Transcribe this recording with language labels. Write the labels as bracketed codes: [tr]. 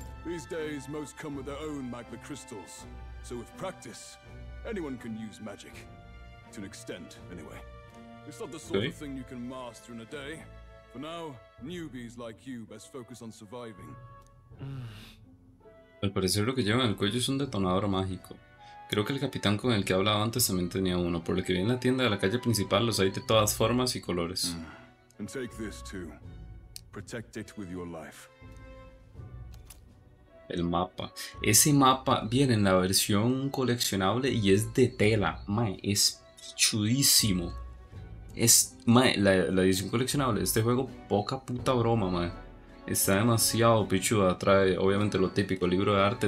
[en] These days most come with their own magma crystals. So with practice, anyone can use magic. To an extent, anyway. It's not the sort of thing you can master in a day. For now, newbies like you best focus on surviving. [es] Al parecer lo que lleva en el cuello es un detonador mágico. Creo que el capitán con el que hablaba antes también tenía uno, por lo que vi en la tienda de la calle principal los hay de todas formas y colores. [en] And take this too. Protect it with your life. [es] El mapa. Ese mapa viene en la versión coleccionable y es de tela. Mae, es chudísimo. Es, mae, la edición coleccionable de este juego, poca puta broma, mae. Está demasiado pichuda. Trae, obviamente, lo típico, libro de arte.